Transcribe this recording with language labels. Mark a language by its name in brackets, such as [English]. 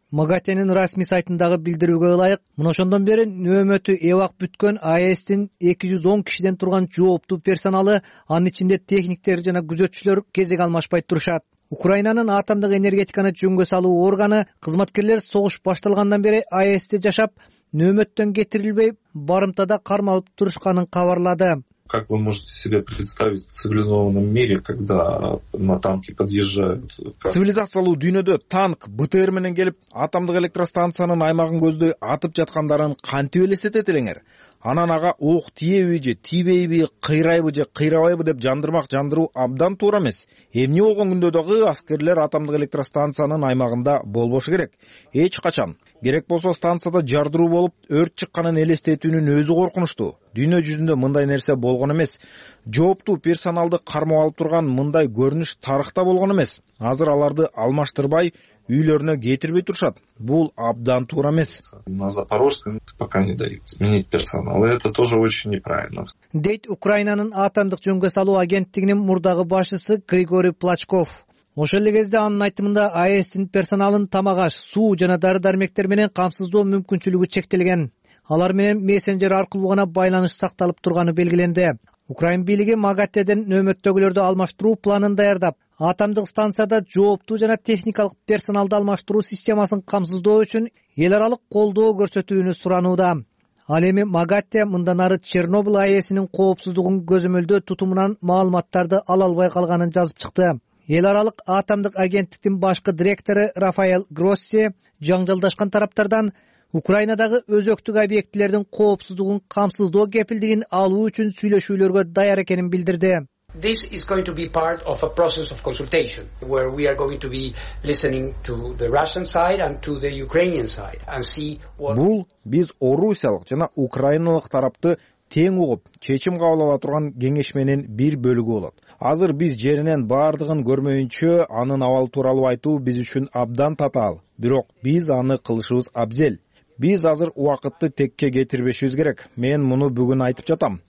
[Kyrgyz] МАГАТЭнин расмий сайтындагы билдирүүгө ылайык, мына ошондон бери нөөмөтү эвак бүткөн АЭС-тин 210 кишиден турган жооптуу персоналы, анын ичинде техниктер жана күзөтчүлөр кезек алмашпай турушат. Украинанын атомдук энергетиканы жөнгө салуу органы кызматкерлер согуш башталгандан бери АЭС-те жашап, нөөмөттөн кетирилбей, барымтада кармалып турушканын кабарлады. [Russian] Как вы можете себе представить в цивилизованном мире, когда на танке подъезжают? [Kyrgyz] Цивилизациялуу дүйнөдө танк БТР менен келип, атомдук электростанциянын аймагын көздөй атып жаткандарын кантип элестетет элеңер? Анан ага ок тиеби же тийбейби, кыйрайбы же кыйрабайбы деп жандырмак жандыруу абдан туура эмес. Эмне болгон күндө дагы аскерлер атомдук электростанциянын аймагында болбошу керек. Эч качан. Керек болсо станцияда жардыруу болуп, өрт чыкканын элестетүүнүн өзү коркунучтуу. Дүйнө жүзүндө мындай нерсе болгон эмес. Жооптуу персоналды кармап алып турган мындай көрүнүш тарыхта болгон эмес. Азыр аларды алмаштырбай үйлөрүнө кетирбей турушат. Бул абдан туура эмес. [Russian] На Запорожском пока не дают сменить персонал. Это тоже очень неправильно. [Kyrgyz] Дейт Украинанын атомдук жөнгө салуу агенттигинин мурдагы башчысы Григорий Плачков. Ошол эле кезде анын айтымында АЭС-тин персоналын тамак аш, суу жана дары-дармектер менен камсыздоо мүмкүнчүлүгү чектелген. Алар менен мессенджер аркылуу гана байланыш сакталып турганы белгиленди. Украин бийлиги МАГАТЭден нөөмөттөгүлөрдү алмаштыруу планын даярдап, атомдук станцияда жооптуу жана техникалык персоналды алмаштыруу системасын камсыздоо үчүн эл аралык колдоо көрсөтүүнү суранууда. Ал эми МАГАТЭ мындан ары Чернобыль АЭС-инин коопсуздугун көзөмөлдөө тутумунан маалыматтарды ала албай калганын жазып чыкты. Эл аралык атомдук агенттиктин башкы директору Рафаэль Гросси жаңжалдашкан тараптардан Украинадагы өзөктүк объектилердин коопсуздугун камсыздоо кепилдигин алуу үчүн сүйлөшүүлөргө даяр экенин билдирди. [English] This is going to be part of a process of consultation where we are going to be listening to the Russian side and to the Ukrainian side and see what [Kyrgyz] Бул биз орусиялык жана украиналык тарапты тең угуп чечим кабыл ала турган кеңешменин бир бөлүгү болот. Азыр биз жеринен бардыгын көрмөйүнчө анын абалы тууралуу айтуу биз үчүн абдан татаал, бирок биз аны кылышыбыз абзел. Биз азыр убакытты текке кетирбешибиз керек. Мен муну бүгүн айтып жатам.